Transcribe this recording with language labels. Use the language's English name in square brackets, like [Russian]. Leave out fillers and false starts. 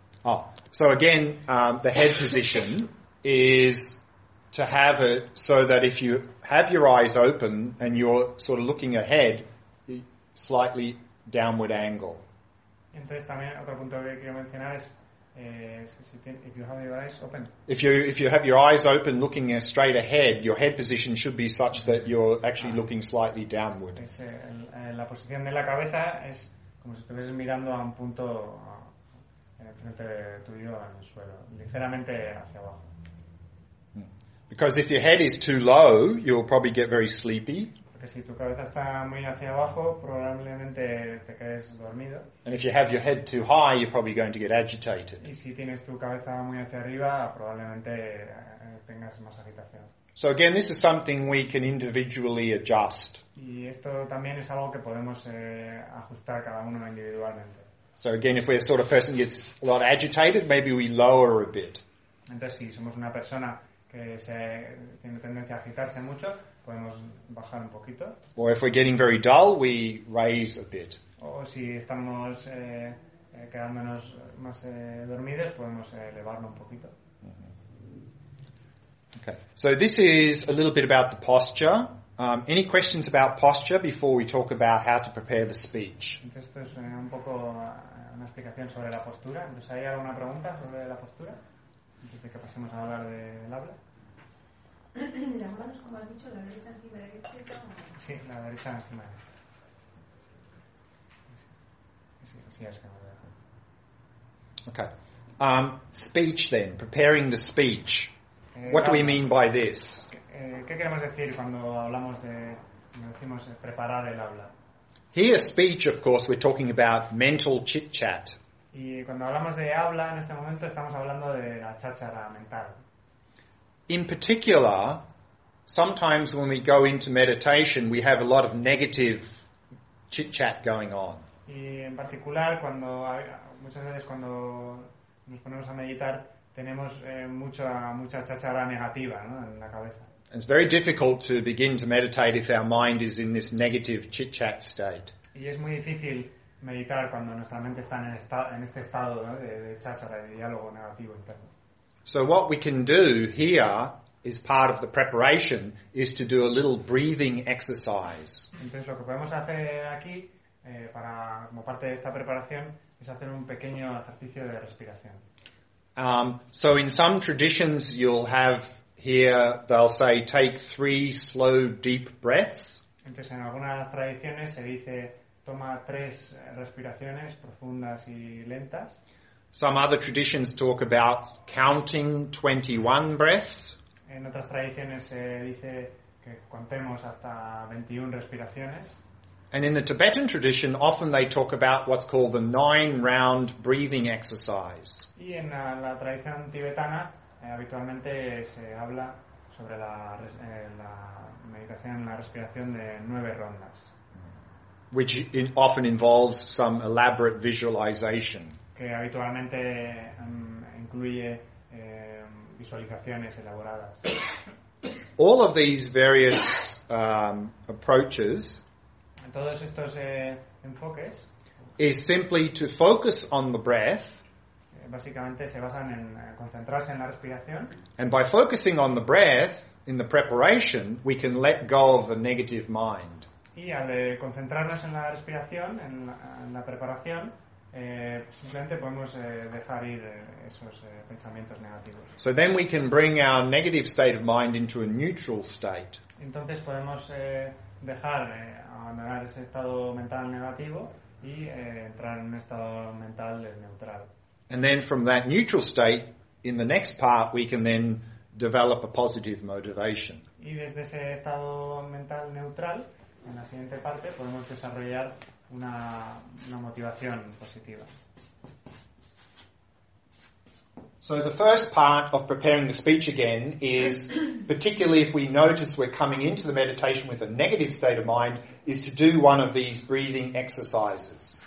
[English] Oh, so again, the head position is to have it so that if you have your eyes open and you're sort of looking ahead, slightly downward angle. [Spanish] Entonces también otro punto que quiero mencionar es [English] if you have your eyes open. If you have your eyes open looking straight ahead, your head position should be such that you're actually looking slightly downward. [Spanish] La posición de la cabeza es como si estuvieses mirando a un punto en el frente tuyo en el suelo, ligeramente hacia abajo. [English] Because if your head is too low, you'll probably get very sleepy. [Spanish] Porque si tu cabeza está muy hacia abajo, probablemente te quedes dormido. [English] And if you have your head too high, you're probably going to get agitated. [Spanish] Y si tienes tu cabeza muy hacia arriba, probablemente tengas más agitación. [English] So again, this is something we can individually adjust. [Spanish] Y esto también es algo que podemos ajustar cada uno individualmente. [English] So again, if we're a sort of person gets a lot agitated, maybe we lower a bit. [Spanish] Entonces, si somos una persona que tiene tendencia a agitarse mucho, podemos bajar un poquito. [English] Or if we're getting very dull, we raise a bit. [Spanish] O si estamos quedándonos más dormidos, podemos elevarlo un poquito. [English] Okay, so this is a little bit about the posture. Any questions about posture before we talk about how to prepare the speech? [Spanish] Entonces, esto es un poco una explicación sobre la postura. Entonces, ¿hay alguna pregunta sobre la postura? Antes de que pasemos a hablar del habla. Las manos, como has dicho, la derecha encima de la izquierda. Sí, la derecha encima de la izquierda. Sí, así es que me voy a dejar. Ok. [English] Speech then, preparing the speech. What do we mean by this? [Spanish] ¿Qué queremos decir cuando hablamos de, cuando decimos preparar el habla? [English] Here, speech, of course, we're talking about mental chit-chat. [Spanish] Y cuando hablamos de habla, en este momento estamos hablando de la cháchara mental. [English] In particular, sometimes when we go into meditation, we have a lot of negative chit-chat going on. [Spanish] Y en particular, cuando muchas veces cuando nos ponemos a meditar, tenemos mucha cháchara negativa, ¿no?, en la cabeza. [English] It's very difficult to begin to meditate if our mind is in this negative chit-chat state. [Spanish] Y es muy difícil meditar cuando nuestra mente está en este estado, ¿no?, de cháchara, de diálogo negativo interno. [English] So what we can do here is part of the preparation is to do a little breathing exercise. [Spanish] Entonces lo que podemos hacer aquí para como parte de esta preparación es hacer un pequeño ejercicio de respiración. [English] So in some traditions you'll have here they'll say take 3 slow deep breaths. [Spanish] Entonces en algunas tradiciones se dice toma 3 respiraciones profundas y lentas. [English] Some other traditions talk about counting 21 breaths. [Spanish] En otras tradiciones se dice que contemos hasta 21 respiraciones. [English] And in the Tibetan tradition often they talk about what's called the 9 round breathing exercise. [Spanish] Y en la tradición tibetana habitualmente se habla sobre la meditación, la respiración de 9 rondas. [English] Which often involves some elaborate visualization. [Spanish] Que habitualmente incluye visualizaciones elaboradas. [English] All of these various approaches [Spanish] todos estos enfoques [English] is simply to focus on the breath. [Spanish] Básicamente se basan en concentrarse en la respiración. [English] And by focusing on the breath in the preparation, we can let go of the negative mind. [Spanish] Y al concentrarnos en la respiración, en la preparación, simplemente podemos dejar ir esos pensamientos negativos. [English] So then we can bring our negative state of mind into a neutral state. [Spanish] Entonces podemos dejar abandonar ese estado mental negativo y entrar en un estado mental neutral. [English] And then from that neutral state, in the next part, we can then develop a positive motivation. [Spanish] Y desde ese estado mental neutral, en la siguiente parte, podemos desarrollar una motivación positiva. [English] So the first part of preparing the speech again is, particularly if we notice we're coming into the meditation with a negative state of mind, is to do one of these breathing exercises.